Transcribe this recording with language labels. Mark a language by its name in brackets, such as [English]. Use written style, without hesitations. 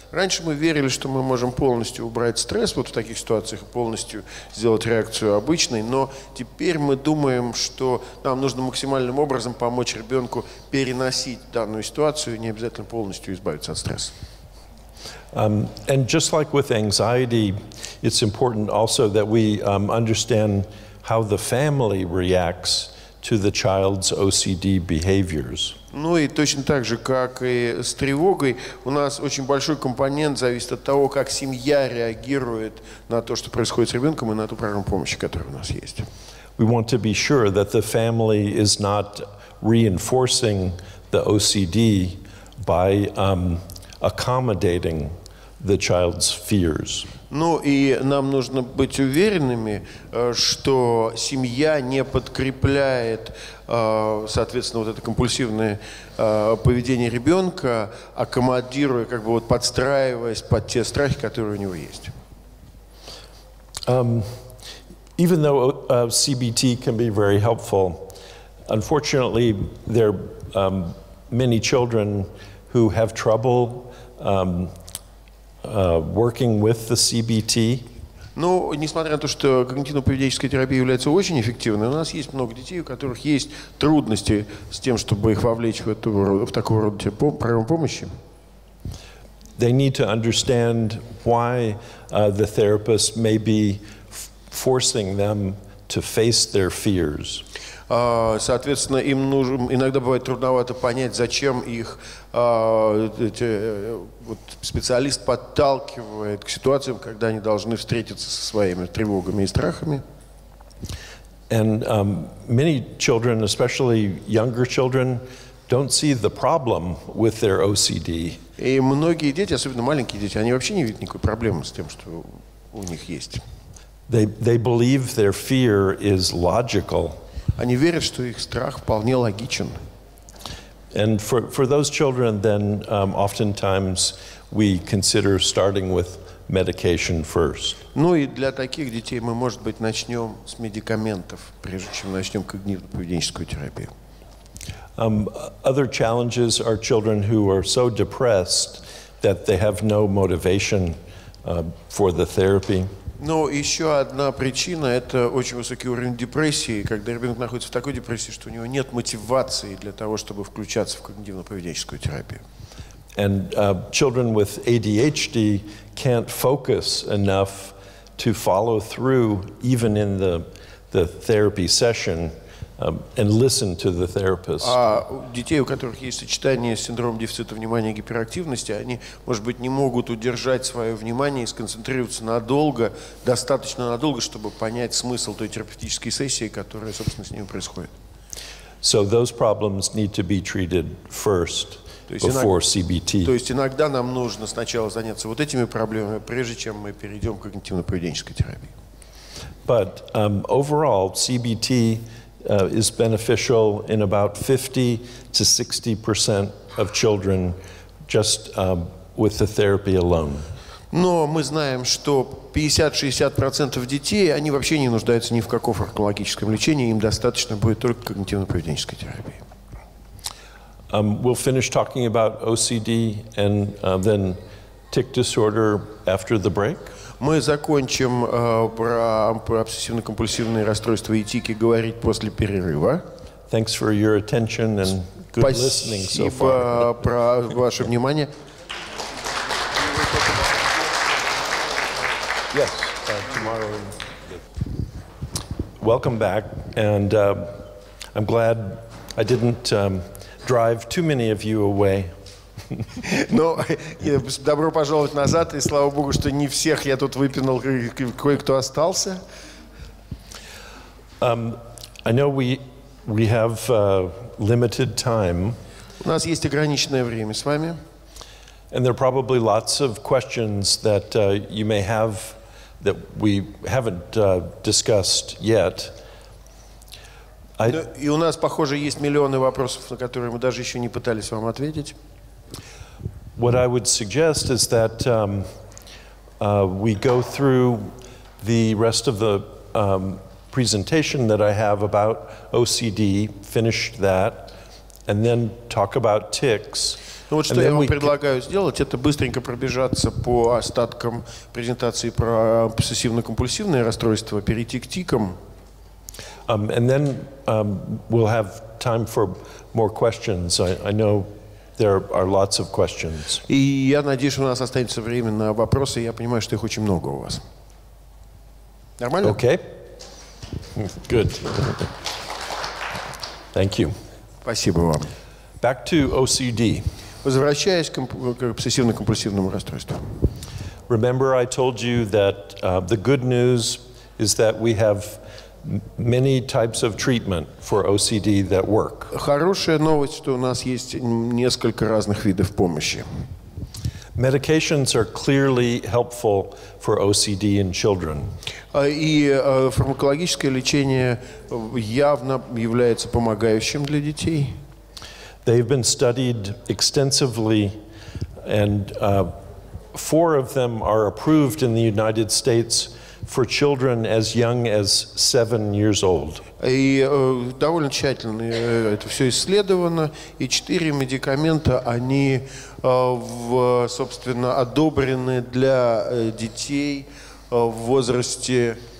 [Russian] Раньше мы верили, что мы можем полностью убрать стресс вот в таких ситуациях, полностью сделать реакцию обычной, но теперь мы думаем, что нам нужно максимальным образом помочь ребенку переносить данную ситуацию, не обязательно полностью избавиться от стресса. [English] And just like with anxiety, it's important also that we understand how the family reacts to the child's OCD behaviors. [Russian] Ну и точно так же, как и с тревогой, у нас очень большой компонент зависит от того, как семья реагирует на то, что происходит с ребенком, и на ту программу помощи, которая у нас есть. [English] We want to be sure that the family is not reinforcing the OCD by accommodating the child's fears. [Russian] Ну и нам нужно быть уверенными, что семья не подкрепляет, соответственно, вот это компульсивное поведение ребенка, аккомодируя, как бы вот подстраиваясь под те страхи, которые у него есть. [English] Even though CBT can be very helpful, unfortunately, there are many children who have trouble working with the CBT. [Russian] Ну, несмотря на то, что когнитивно-поведенческая терапия является очень эффективной, у нас есть много детей, у которых есть трудности с тем, чтобы их вовлечь в такого рода программу помощи. [English] They need to understand why the therapist may be forcing them to face their fears. [Russian] Соответственно, им нужен, иногда бывает трудновато понять, зачем их вот специалист подталкивает к ситуациям, когда они должны встретиться со своими тревогами и страхами. [English] And many children, especially younger children, don't see the problem with their OCD. [Russian] И многие дети, особенно маленькие дети, они вообще не видят никакой проблемы с тем, что у них есть. [English] They believe their fear is logical. [Russian] Они верят, что их страх вполне логичен. [English] And for those children, then oftentimes we consider starting with medication first. [Russian] Ну и для таких детей мы, может быть, начнем с медикаментов, прежде чем начнем когнитивно-поведенческую терапию. [English] Other challenges are children who are so depressed that they have no motivation for the therapy. [Russian] Но еще одна причина – это очень высокий уровень депрессии, когда ребенок находится в такой депрессии, что у него нет мотивации для того, чтобы включаться в когнитивно-поведенческую терапию. [English] And children with ADHD can't focus enough to follow through even in the therapy session and listen to the therapist. [Russian] А у детей, у которых есть сочетание с синдромом дефицита внимания и гиперактивности, они, может быть, не могут удержать свое внимание и сконцентрироваться надолго, достаточно надолго, чтобы понять смысл той терапевтической сессии, которая, собственно, с ними происходит. [English] So those problems need to be treated first before CBT. [Russian] То есть иногда нам нужно сначала заняться вот этими проблемами, прежде чем мы перейдем к когнитивно-поведенческой терапии. [English] But overall, CBT is beneficial in about 50% to 60% of children just with the therapy alone. [Russian] Но мы знаем, что 50-60% детей, они вообще не нуждаются ни в каком фармакологическом лечении, им достаточно будет только когнитивно-поведенческой терапии. [English] We'll finish talking about OCD and then tic disorder after the break. [Russian] Мы закончим про обсессивно-компульсивные расстройства и тики говорить после перерыва. [English] Thanks for your attention and good listening so far. [Russian] Спасибо про ваше внимание. [English] Yes, tomorrow. Welcome back, and I'm glad I didn't drive too many of you away. [Russian] Но добро пожаловать назад, и слава богу, что не всех я тут выпинул, кое-кто остался. [English] I know we have limited time. [Russian] У нас есть ограниченное время с вами. [English] And there are probably lots of questions that you may have that we haven't discussed yet. [Russian] И у нас, похоже, есть миллионы вопросов, на которые мы даже еще не пытались вам ответить. [English] What I would suggest is that we go through the rest of the presentation that I have about OCD, finish that, and then talk about tics. [Russian] Ну вот что я вам предлагаю сделать, это быстренько пробежаться по остаткам презентации про обсессивно-компульсивные расстройства, перейти к тикам. [English] And then we'll have time for more questions. I know There are lots of questions. [Russian] И я надеюсь, у нас останется время на вопросы. Я понимаю, что их очень много у вас. Нормально? [English] Okay. Good. Thank you. [Russian] Спасибо вам. [English] Back to OCD. [Russian] Возвращаясь к обсессивно-компульсивному расстройству. [English] Remember, I told you that the good news is that we have many types of treatment for OCD that work. [Russian] Хорошая новость, что у нас есть несколько разных видов помощи. [English] Medications are clearly helpful for OCD in children. [Russian] И фармакологическое лечение явно является помогающим для детей. [English] They've been studied extensively, and four of them are approved in the United States for children as young as 7 years old. [Russian] И довольно тщательно это все исследовано, и четыре медикамента, они, собственно, одобрены для детей в возрасте...